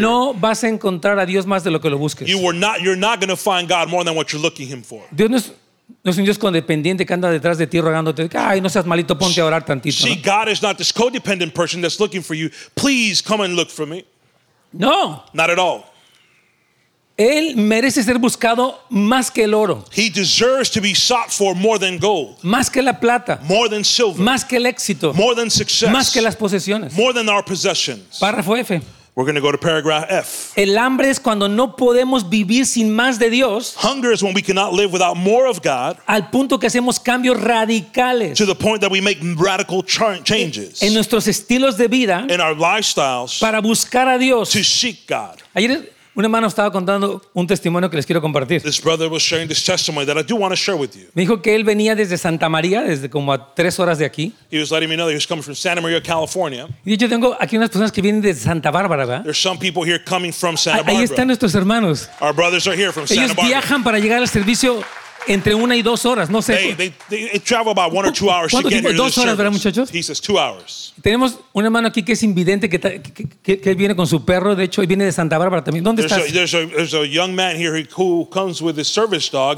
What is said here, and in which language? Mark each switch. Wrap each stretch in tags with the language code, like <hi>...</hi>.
<es>No vas a encontrar a Dios más de lo que lo busques.</es> <en>You're not going to find God more than what you're looking him for.</en> <es>Dios no es un Dios codependiente que anda detrás de ti rogándote, ay, no seas malito, ponte a orar tantito.</es> <en>See,</en> <es>¿no?</es> <en>God is not this codependent person that's looking for you. Please come and look for me.</en> <es>No.</es> <en>Not at all.</en> <es>Él merece ser buscado más que el oro.</es> <en>He deserves to be sought for more than gold.</en> <es>Más que la plata.</es> <en>More than silver.</en> <es>Más que el éxito.</es> <en>More than success.</en> <es>Más que las posesiones.</es> <en>More than our possessions.</en> <es>Párrafo F.</es> <en>We're going to go to paragraph F.</en> <es>El hambre es cuando no podemos vivir sin más de Dios.</es> <en>Hunger is when we cannot live without more of God.</en> <es>Al punto que hacemos cambios radicales.</es> <en>To the point that we make radical changes.</en> <es>En nuestros estilos de vida.</es> <en>In our lifestyles.</en> <es>Para buscar a Dios.</es> <en>To seek God.</en> <es>Ayer un hermano estaba contando un testimonio que les quiero compartir.</es> <en>This brother was sharing this testimony that I do want to share with you.</en> <es>Me dijo que él venía desde Santa María, desde como a 3 horas de aquí.</es> <en>He was letting me know that he was coming from Santa Maria, California.</en> <es>Y yo tengo aquí unas personas que vienen de Santa Bárbara, ¿verdad?</es> <en>There's some people here coming from Santa Barbara.</en> <es>Ahí están nuestros hermanos.</es> <en>Our brothers are here from Santa</en> <es>Barbara. Ellos viajan para llegar al servicio entre 1 y 2 horas, no sé.</es> <en>They travel about 1 or 2 hours to get here.</en> <es>¿Cuánto tiempo? 2 horas, ¿verdad, muchachos?</es> <en>He says 2 hours.</en> <es>Tenemos un hermano aquí que es invidente, que viene con su perro, de hecho, y viene de Santa Bárbara también. ¿Dónde estás?</es> <en>There's a young man here who comes with his service dog.</en>